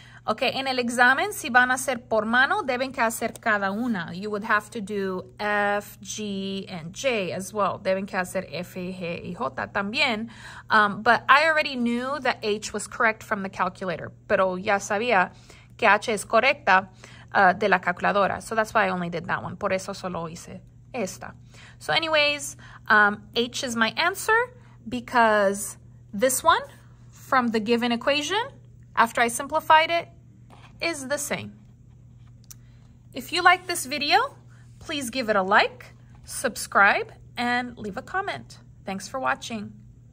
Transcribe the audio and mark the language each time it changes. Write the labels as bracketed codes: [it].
[es] Okay, en el examen, si van a hacer por mano, deben que hacer cada una. [en] You would have to do F, G, and J as well. [es] Deben que hacer F, G, y J también. [en] But I already knew that H was correct from the calculator. [es] Pero ya sabía que H es correcta de la calculadora. [en] So that's why I only did that one. [es] Por eso solo hice esta. [en] So anyways, H is my answer because this one from the given equation, after I simplified it, is the same. If you like this video, please give it a like, subscribe, and leave a comment. Thanks for watching.